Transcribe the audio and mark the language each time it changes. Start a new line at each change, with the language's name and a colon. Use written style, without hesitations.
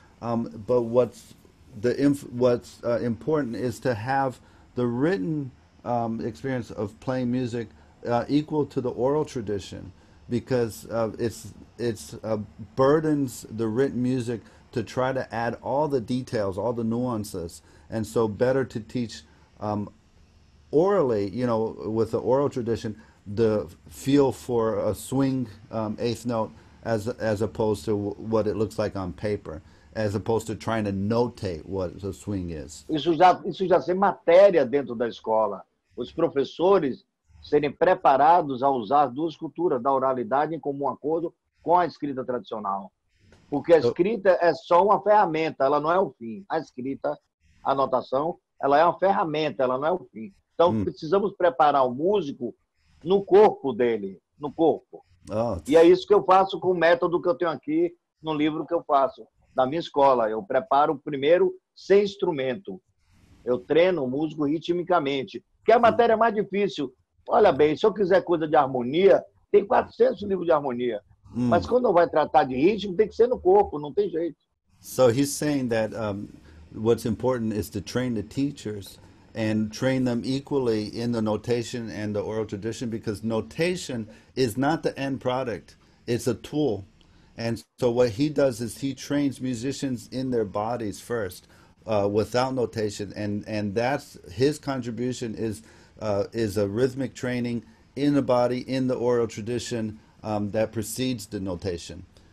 English: But what's important is to have the written experience of playing music equal to the oral tradition, because it's burdens the written music to try to add all the details, all the nuances, and so better to teach orally, with the oral tradition, the feel for a swing eighth note as opposed to what it looks like on paper, as opposed to trying to notate what the swing is.
Portuguese: Isso já ser matéria dentro da escola. Os professores serem preparados a usar as duas culturas, da oralidade em comum acordo com a escrita tradicional. Porque a escrita é só uma ferramenta, ela não é o fim. A escrita, a notação, ela é uma ferramenta, ela não é o fim. Então, precisamos preparar o músico no corpo dele, no corpo. E é isso que eu faço com o método que eu tenho aqui no livro que eu faço, da minha escola. Eu preparo primeiro sem instrumento. Eu treino o músico ritmicamente, que é a matéria mais difícil. Olha bem, se eu quiser coisa de harmonia, tem 400 livros de harmonia. Mas quando vai tratar de ritmo, tem que ser no corpo, não tem jeito.
English: So he's saying that what's important is to train the teachers and train them equally in the notation and the oral tradition, because notation is not the end product, it's a tool. And so what he does is he trains musicians in their bodies first, without notation, and that's his contribution, is a rhythmic training in the body, in the oral tradition, that precedes the notation.